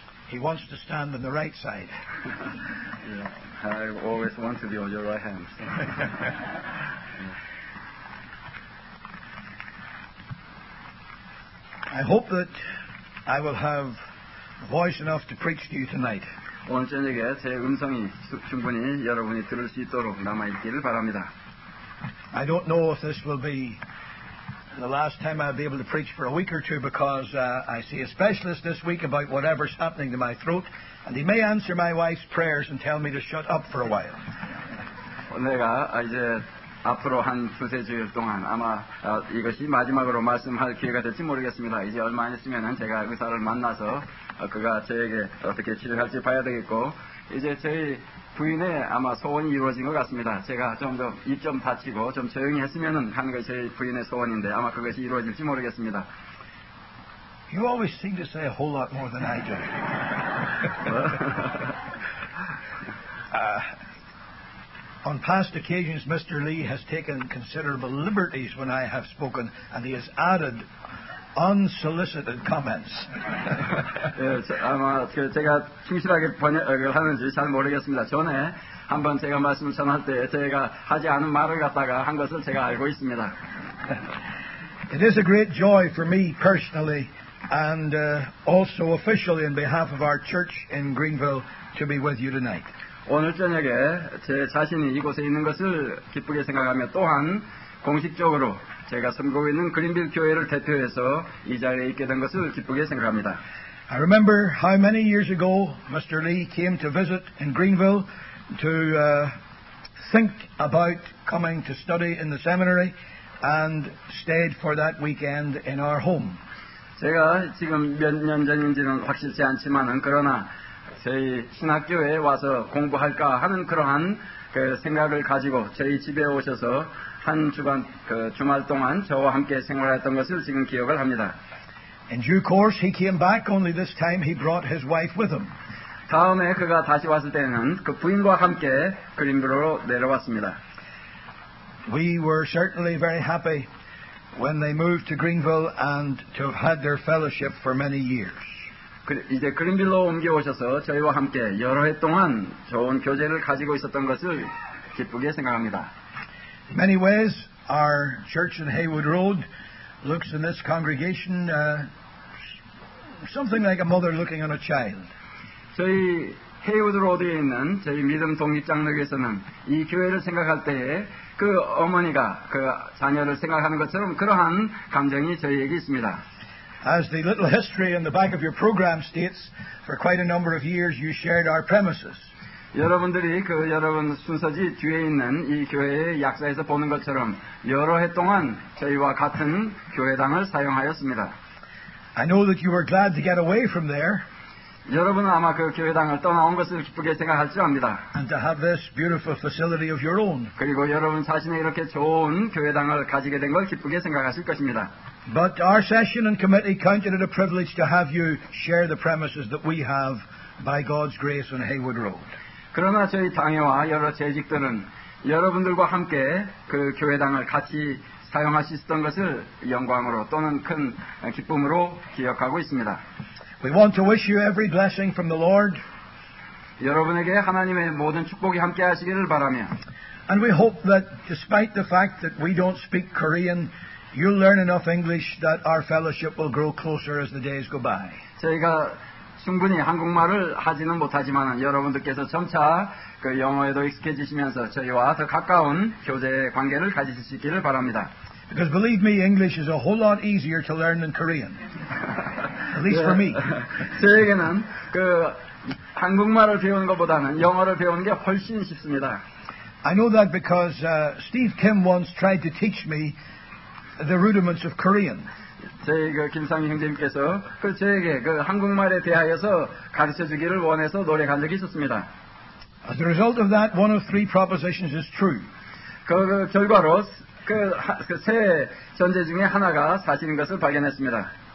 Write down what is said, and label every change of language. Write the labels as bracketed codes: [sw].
[en] He wants to stand on the right side. Yeah, I always want to be on your right hand. So. I hope that I will have voice enough to preach to you tonight. [ko] 오늘 저녁에 제 음성이 충분히 여러분이 들을 수 있도록 남아 있기를 바랍니다. [en] I don't know if this will be the last time I'll be able to preach for a week or two because I see a specialist this week about whatever's happening to my throat, and he may answer my wife's prayers and tell me to shut up for a while. [ko] 내가 이제 앞으로 한 두세 주일 동안 아마 이것이 마지막으로 말씀할 기회가 될지 모르겠습니다. 이제 얼마 안 있으면 제가 의사를 만나서 그가 저에게 어떻게 치료할지 봐야 되겠고 이제 저희 부인의 아마 소원이 이루어진 것 같습니다. 제가 좀 더 입 좀 다치고 좀 조용히 했으면 하는 것이 저희 부인의 소원인데 아마 그것이 이루어질지 모르겠습니다. [en] You always seem to say a whole lot more than I do. On past occasions, Mr. Lee has taken considerable liberties when I have spoken, and he has added unsolicited comments. [ko] 예, 아마 제가 충실하게 번역을 하는지 잘 모르겠습니다. 전에 한번 제가 말씀을 전할 때 제가 하지 않은 말을 갖다가 한 것을 제가 알고 있습니다. [en] It is a great joy for me personally and also officially on behalf of our church in Greenville to be with you tonight. [ko] 오늘 저녁에 제 자신이 이곳에 있는 것을 기쁘게 생각하며 또한 공식적으로 제가 섬기고 있는 그린빌 교회를 대표해서 이 자리에 있게 된 것을 기쁘게 생각합니다. [en] I remember how many years ago Mr. Lee came to visit in Greenville to think about coming to study in the seminary and stayed for that weekend in our home. [ko] 제가 지금 몇 년 전인지는 확실치 않지만은 그러나 저희 신학교에 와서 공부할까 하는 그러한 그 생각을 가지고 저희 집에 오셔서 한 주간 그 주말 동안 저와 함께 생활했던 것을 지금 기억을 합니다. [en] In due course, he came back. Only this time, he brought his wife with him. [ko] 다음에 그가 다시 왔을 때는 그 부인과 함께 그린빌로 내려왔습니다. [en] We were certainly very happy when they moved to Greenville and to have had their fellowship for many years. [ko] 이제 그린빌로 옮겨 오셔서 저희와 함께 여러 해 동안 좋은 교제를 가지고 있었던 것을 기쁘게 생각합니다. [en] In many ways, our church in Haywood Road looks in this congregation something like a mother looking on a child. [ko] 저희 Haywood Road에 있는 저희 믿음 독립 장로교에서는 이 교회를 생각할 때에 그 어머니가 그 자녀를 생각하는 것처럼 그러한 감정이 저희에게 있습니다. [en] As the little history in the back of your program states, for quite a number of years you shared our premises. [ko] 여러분들이 그 여러분 순서지 뒤에 있는 이 교회의 약사에서 보는 것처럼 여러 해 동안 저희와 같은 교회당을 사용하였습니다. [en] I know that you were glad to get away from there. [ko] 여러분은 아마 그 교회당을 떠나온 것을 기쁘게 생각할 줄 압니다. [en] And to have this beautiful facility of your own. [ko] 그리고 여러분 자신의 이렇게 좋은 교회당을 가지게 된 걸 기쁘게 생각하실 것입니다. [en] But our session and committee counted it a privilege to have you share the premises that we have by God's grace on Haywood Road. [ko] 그러나 저희 당회와 여러 재직들은 여러분들과 함께 그 교회당을 같이 사용할 수 있었던 것을 영광으로 또는 큰 기쁨으로 기억하고 있습니다. [en] We want to wish you every blessing from the Lord. [ko] 여러분에게 하나님의 모든 축복이 함께 하시기를 바라며. [en] And we hope that despite the fact that we don't speak Korean, you'll learn enough English that our fellowship will grow closer as the days go by. [ko] 저희가 충분히 한국말을 하지는 못하지만 여러분들께서 점차 그 영어에도 익숙해지시면서 저희와 더 가까운 교제의 관계를 가지실 수 있기를 바랍니다. [en] Because believe me, English is a whole lot easier to learn than Korean. at least for me. [ko] 저에게는 그 한국말을 배우는 것보다는 영어를 배우는 게 훨씬 쉽습니다. [en] I know that because Steve Kim once tried to teach me the rudiments of Korean. [ko] 저희 그 김상희 형제님께서 그 저에게 그 한국말에 대하여서 가르쳐 주기를 원해서 노력한 적이 있었습니다. [en] As a result of that, one of three propositions is true. [ko] 그 결과로 그 세 전제 중에 하나가 사실인 것을 발견했습니다.